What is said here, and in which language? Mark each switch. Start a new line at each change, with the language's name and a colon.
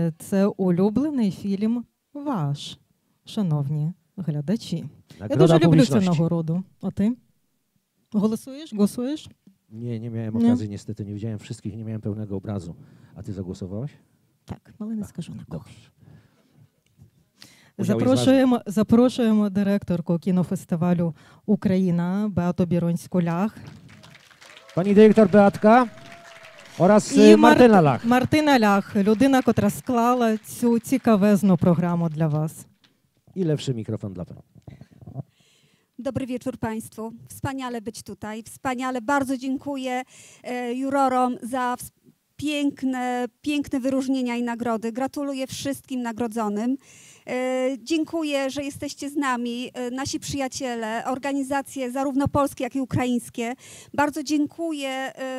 Polish: To ulubiony film wasz, szanowni oglądacze. Ja bardzo lubię tę nagrodę. A ty? Głosujesz? Głosujesz? Nie, nie miałem okazji, niestety nie widziałem wszystkich, nie miałem pełnego obrazu. A ty zagłosowałaś? Tak, ale nie skażę na kogoś.
Ukrainian: Запрошуємо директорку кінофестивалю «Україна» Беату Біронську-Лях. Пані директор Беатка oraz і Мартина Лях. Мартина Лях, людина, котра склала цю цікавезну програму для вас. І лепший мікрофон для вас.
Polish: Dobry wieczór Państwu. Wspaniale być tutaj. Wspaniale. Bardzo dziękuję jurorom za piękne wyróżnienia i nagrody. Gratuluję wszystkim nagrodzonym. Dziękuję, że jesteście z nami, nasi przyjaciele, organizacje zarówno polskie, jak i ukraińskie. Bardzo dziękuję